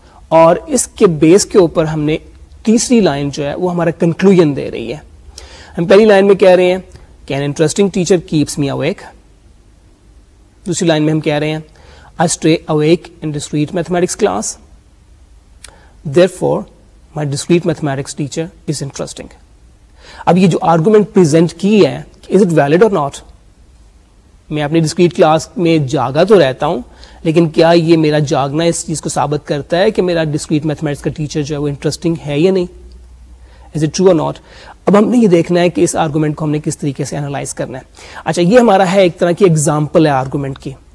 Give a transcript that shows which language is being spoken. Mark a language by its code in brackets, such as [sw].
[ur] اور اس کے بیس کے اوپر ہم نے تیسری لائن جو ہے وہ ہمارا کنکلوژن دے رہی ہے ہم پہلی لائن میں کہہ رہے ہیں [en] can interesting teacher keeps me awake [ur] دوسری لائن میں ہم کہہ رہے ہیں [en] I stay awake in discrete mathematics class therefore my discrete mathematics teacher is interesting. [ur] اب یہ جو آرگومنٹ پریزنٹ کی ہے [en] is it valid or not, [ur] میں اپنی ڈسکریٹ کلاس میں جاگا تو رہتا ہوں لیکن کیا یہ میرا جاگنا اس چیز کو ثابت کرتا ہے کہ میرا ڈسکریٹ میتھمیٹکس کا ٹیچر جو ہے وہ انٹرسٹنگ ہے یا نہیں, [en] Is it true or not. [ur] اب ہم نے یہ دیکھنا ہے کہ اس آرگومنٹ کو ہم نے کس طریقے سے انالائز کرنا ہے. اچھا یہ ہمارا ہے ایک طرح کی ایگزامپل ہے آرگومنٹ کی.